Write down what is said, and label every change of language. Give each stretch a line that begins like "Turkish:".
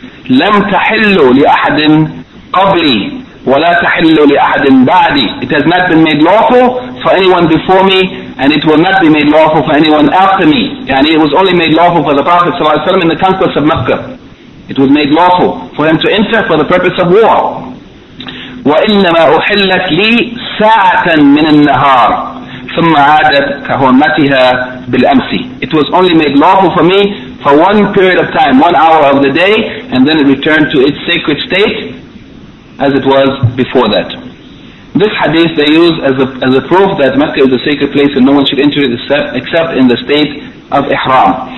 Arabic: لَمْ تَحِلُّ لِأَحَدٍ قَبْلِي وَلَا تَحِلُّ لِأَحَدٍ بَعْدِي,
English: it has not been made lawful for anyone before me, and it will not be made lawful for anyone after me. And it was only made lawful for the Prophet sallallahu alayhi wa sallam in the conquest of Mecca. It was made lawful for him to enter for the purpose of war.
Arabic: وإنما أحلت لي ساعة من النهار ثم عادت كهرمتها بالأمس.
English: It was only made lawful for me for one period of time, 1 hour of the day, and then it returned to its sacred state as it was before that. This hadith they use as a proof that Mecca is a sacred place and no one should enter it except in the state of Ihram.